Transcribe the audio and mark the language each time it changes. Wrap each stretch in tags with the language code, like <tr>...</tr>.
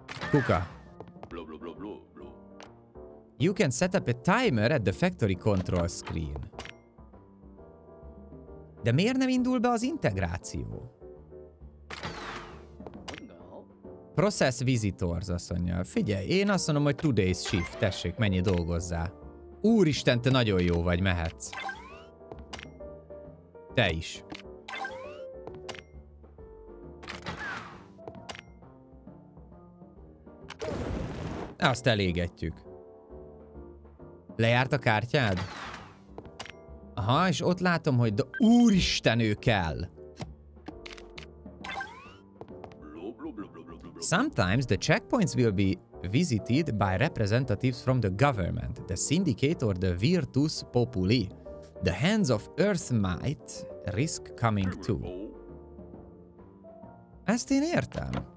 <hu>Kuka.</hu> <en>You can set up a timer at the factory control screen.</en> <hu>De miért nem indul be az integráció?</hu> <en>Process visitors,</en> <hu>azt mondja. Figyelj, én azt mondom, hogy</hu> <en>today's shift.</en> <hu>Tessék, mennyi dolgozzál. Úristen, te nagyon jó vagy, mehetsz. Te is. Azt elégetjük. Lejárt a kártyád? Aha, és ott látom, hogy de úristen, ő kell!</hu> <en>Sometimes the checkpoints will be visited by representatives from the government, the syndicate or the Virtus Populi. The hands of Earth might risk coming too.</en> <hu>Ezt én értem.</hu>